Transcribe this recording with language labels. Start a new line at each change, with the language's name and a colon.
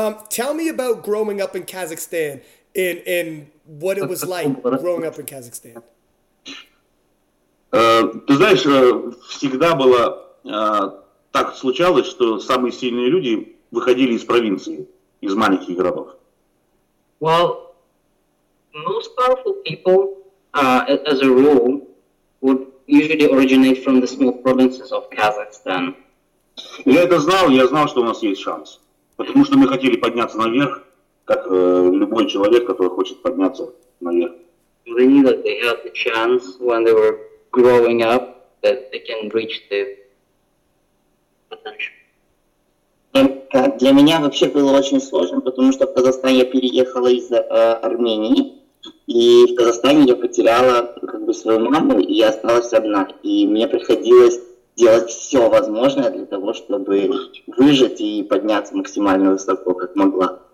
English: Tell me about growing up in Kazakhstan and what it was like growing up in Kazakhstan.
Russian: Ты знаешь, всегда было так случалось, что самые сильные люди выходили из провинции, из маленьких городов.
English: Well, most powerful people, as a rule, would usually originate from the small provinces of Kazakhstan.
Russian: Я это знал, я знал, что у нас есть шанс. Потому что мы хотели подняться наверх, как любой человек, который хочет подняться наверх.
English: They knew that they had the chance when they were growing up that they can reach the potential.
Russian: Для меня вообще было очень сложно, потому что в Казахстан я переехала из Армении, и в Казахстане я потеряла как бы свою маму, и я осталась одна, и мне приходилось делать все возможное для того, чтобы выжить и подняться максимально высоко, как могла.